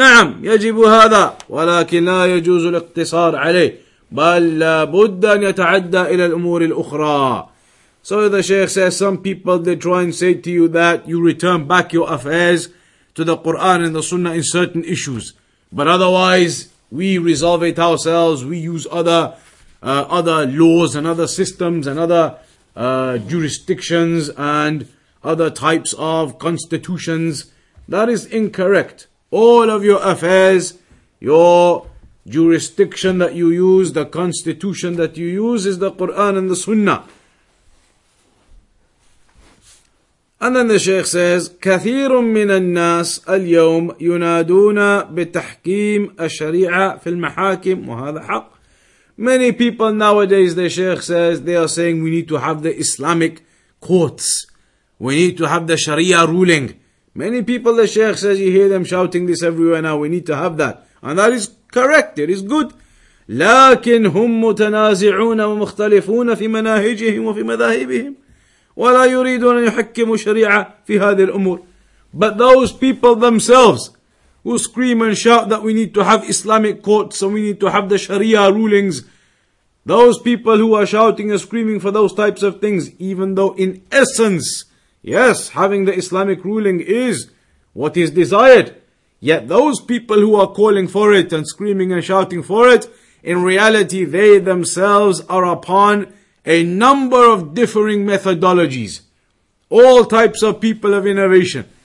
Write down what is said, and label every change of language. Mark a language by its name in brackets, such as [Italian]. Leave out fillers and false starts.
[Arabic] نعم يجب هذا ولكن لا يجوز الاقتصار عليه بل لابد أن يتعدى إلى الأمور الأخرى. [English] So the Shaykh says, some people, they try and say to you that you return back your affairs to the Quran and the Sunnah in certain issues, but otherwise we resolve it ourselves, we use other laws and other systems and other jurisdictions and other types of constitutions. That is incorrect. All of your affairs, your jurisdiction that you use, the constitution that you use, is the Quran and the Sunnah. And then the Shaykh says, [Arabic] كَثِيرٌ مِّنَ النَّاسِ الْيَوْمِ يُنَادُونَ بِتَحْكِيمِ الشَّرِيعَةِ فِي الْمَحَاكِمِ وَهَذَا حَقٌّ. [English] Many people nowadays, the Shaykh says, they are saying we need to have the Islamic courts. We need to have the Sharia ruling. Many people, the Shaykh says, you hear them shouting this everywhere now, we need to have that. And that is correct, it is good. [Arabic] لكن هم متنازعون ومختلفون في مناهجهم وفي مذاهبهم ولا يريدون أن يحكموا شريعة في هذه الأمور. [English] But those people themselves who scream and shout that we need to have Islamic courts and we need to have the Sharia rulings, those people who are shouting and screaming for those types of things, even though in essence, yes, having the Islamic ruling is what is desired, yet those people who are calling for it and screaming and shouting for it, in reality they themselves are upon a number of differing methodologies, all types of people of innovation.